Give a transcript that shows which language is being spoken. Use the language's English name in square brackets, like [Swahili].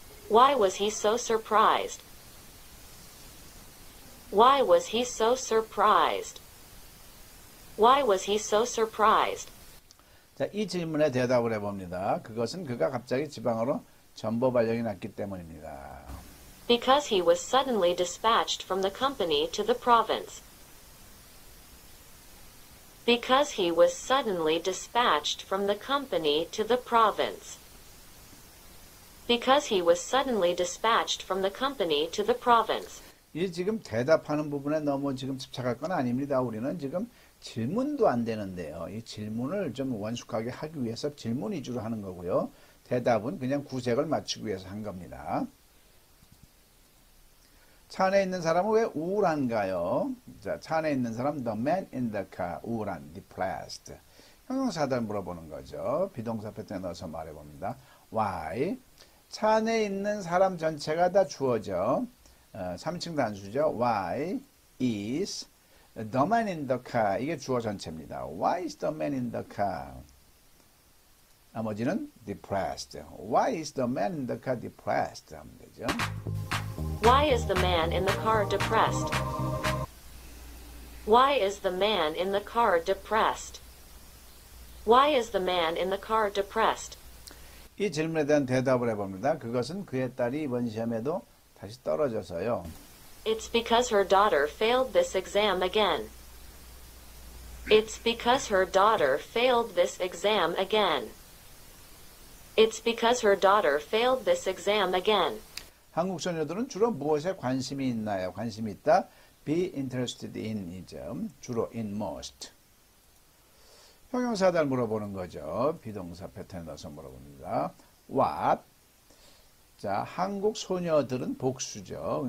[English] Why was he so surprised? Why was he so surprised? Why was he so surprised? [Korean] 자, 이 질문에 대답을 해봅니다. 그것은 그가 갑자기 지방으로 전보 발령이 났기 때문입니다. [English] Because he was suddenly dispatched from the company to the province. Because he was suddenly dispatched from the company to the province. Because he was suddenly dispatched from the company to the province. [Korean] 이 지금 대답하는 부분에 너무 지금 집착할 건 아닙니다. 우리는 지금 질문도 안 되는데요. 이 질문을 좀 원숙하게 하기 위해서 질문 위주로 하는 거고요. 대답은 그냥 구색을 맞추기 위해서 한 겁니다. 차 안에 있는 사람은 왜 우울한가요? 자, 차 안에 있는 사람, [English] the man in the car, [Korean] 우울한, depressed. 형용사들 물어보는 거죠. 비동사 패턴에 넣어서 말해봅니다. [English] Why? [Korean] 차 안에 있는 사람 전체가 다 주어져. 3인칭 단수죠. [English] Why is the man in the car? [Korean] 이게 주어 전체입니다. [English] Why is the man in the car? [Korean] 나머지는 [English] depressed. Why is the man in the car depressed? [Korean] 하면 되죠. [English] Why is the man in the car depressed? Why is the man in the car depressed? Why is the man in the car depressed? [Korean] 이 질문에 대한 대답을 해봅니다. 그것은 그의 딸이 이번 시험에도 다시 떨어져서요. [English] It's because her daughter failed this exam again. It's because her daughter failed this exam again. It's because her daughter failed this exam again. [Korean] 한국 소녀들은 주로 무엇에 관심이 있나요? 관심이 있다. [English] Be interested in이죠. [Korean] 주로 [English] in most. [Korean] 형용사에다 물어보는 거죠. 비동사 패턴에 넣어서 물어봅니다. [English] What? [Korean] 자, 한국 소녀들은 복수죠.